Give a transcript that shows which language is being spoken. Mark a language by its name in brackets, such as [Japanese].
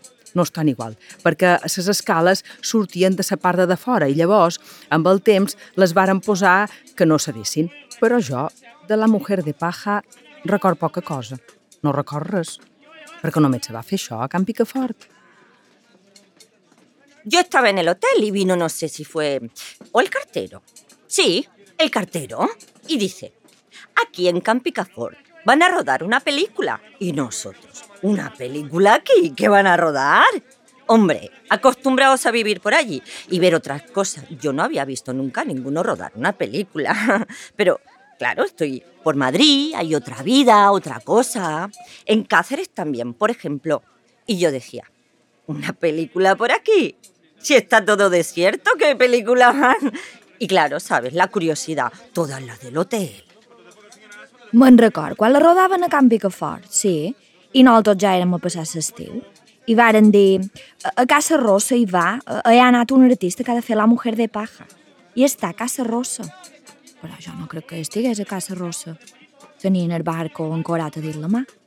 [Catalan] No estan igual, perquè les escales sortien de la part de fora i llavors, amb el temps, les varen posar que no sabessin. Però jo, de la Mujer de Paja, record poca cosa. No record res, perquè només se va fer això a Can Picafort. [Spanish] Yo estaba en el hotel y vino, no sé si fue... o el cartero. Sí, el cartero. Y dice, aquí en Can Picafort van a rodar una película. Y nosotros, ¿una película aquí? ¿Qué van a rodar? Hombre, acostumbrados a vivir por allí y ver otras cosas. Yo no había visto nunca a ninguno rodar una película. Pero, claro, estoy por Madrid, hay otra vida, otra cosa. En Cáceres también, por ejemplo. Y yo decía, ¿una película por aquí? Si está todo desierto, ¿qué película van? Y claro, ¿sabes? La curiosidad, toda la del hotel. [Catalan] Me'n record, quan la rodaven a Can Picafort, sí, i nosaltres ja érem a passar l'estiu, i varen dir, a Casa Rosa hi va, hi ha anat un artista que ha de fer La Mujer de Paja, i està a Casa Rosa. Però jo no crec que estigués a Casa Rosa, tenint el barco ancorat a dir la mà.